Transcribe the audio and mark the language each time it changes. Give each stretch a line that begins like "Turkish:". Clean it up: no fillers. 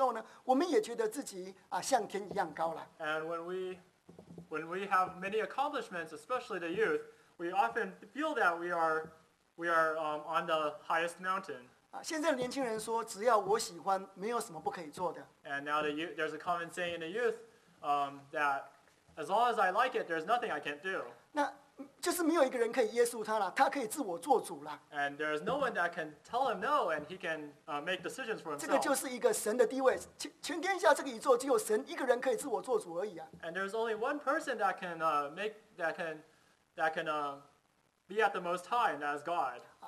Chinese: 所以当一个人自己很有才华，有时候我们的年轻人呢，当我们有才华的时候呢，我们也觉得自己啊像天一样高了。And
English: when we have many accomplishments, especially the youth, we often feel that we are on the highest mountain.
Chinese: 现在的年轻人说，只要我喜欢，没有什么不可以做的。And
English: now there's a common saying in the youth that as long as I like it, there's nothing I can't do.
Chinese: 那就是没有一个人可以约束他了，他可以自我做主了。And
English: there is no one that can tell him no, and he can make decisions for himself.
Chinese: 这个就是一个神的地位，全天下这个宇宙只有神一个人可以自我做主而已啊。And
English: there's only one person that can be at the Most High, and that is God.